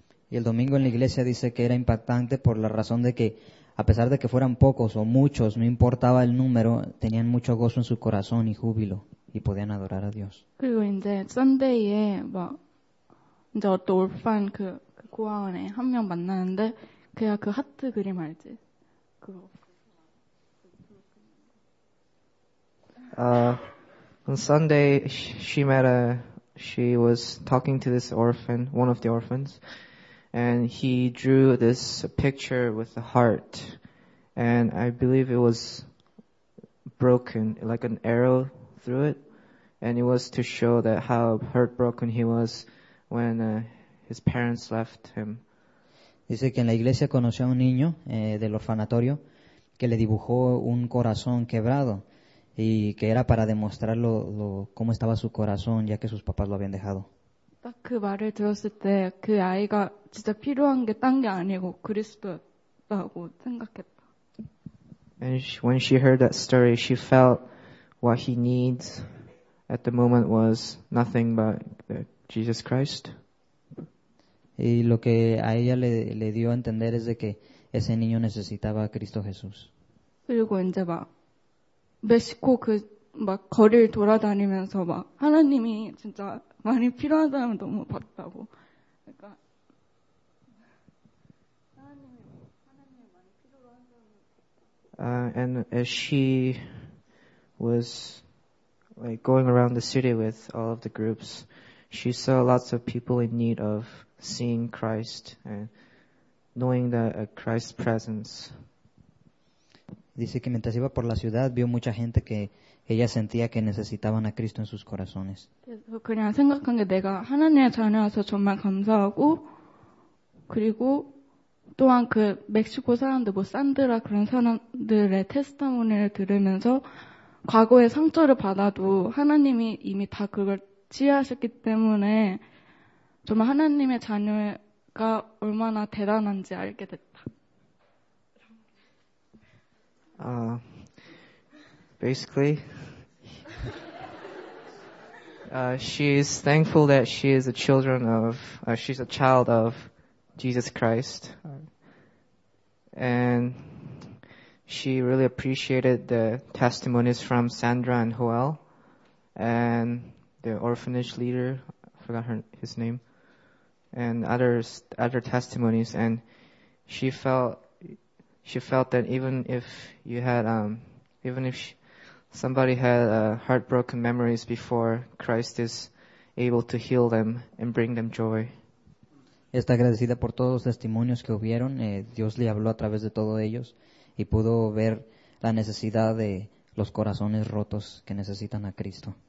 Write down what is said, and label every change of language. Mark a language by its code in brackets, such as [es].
[es] Y el domingo en la iglesia dice que era impactante por la razón de que a pesar de que fueran pocos o muchos, no importaba el número, tenían mucho gozo en su corazón y júbilo y podían adorar a Dios. [ko] 그리고 이제 Sunday에 막 이제 어떤 올판 그 고아원에 한 명 만나는데 그가 그 하트 그림 알지? 그거. [en] On Sunday, she was talking to this orphan, one of the orphans, and he drew this picture with a heart, and I believe it was broken, like an arrow through it, And it was to show that how heartbroken he was when his parents left him. [es] Dice que en la iglesia conoció a un niño del orfanatorio que le dibujó un corazón quebrado y que era para demostrar cómo estaba su corazón ya que sus papás lo habían dejado. [ko] 딱 그 말을 들었을 때 그 아이가 진짜 필요한 게 딴 게 아니고 그리스도였다고 생각했다. [en] And when she heard that story, she felt what he needs at the moment was nothing but Jesus Christ. [es] Y lo que a ella le dio a entender es de que ese niño necesitaba a Cristo Jesús. [ko] 그리고 이제 막 멕시코 그 막 거리를 돌아다니면서 막 하나님이 진짜 많이 필요한 사람을 너무 봤다고. 그러니까 하나님이 많이 필요한 사람을 봤다고. [en] And as she was like going around the city with all of the groups, she saw lots of people in need of seeing Christ and knowing the Christ's presence. [es] Dice que mientras iba por la ciudad vio mucha gente que ella sentía que necesitaban a Cristo en sus corazones. [ko] 그냥 생각한 게 내가 하나님의 자녀라서 정말 감사하고 그리고 또한 그 멕시코 사람들 뭐 산드라 그런 사람들의 테스터모니를 들으면서 과거의 상처를 받아도 하나님이 이미 다 그걸 치유하셨기 때문에 정말 하나님의 자녀가 얼마나 대단한지 알게 됐다. [en] Basically, she's thankful that she is a she's a child of Jesus Christ, and she really appreciated the testimonies from Sandra and Joel, and the orphanage leader, I forgot his name, and other testimonies, and she felt that somebody had heartbroken memories before, Christ is able to heal them and bring them joy. [es] Está agradecida por todos los testimonios que hubieron. Dios le habló a través de todos ellos y pudo ver la necesidad de los corazones rotos que necesitan a Cristo.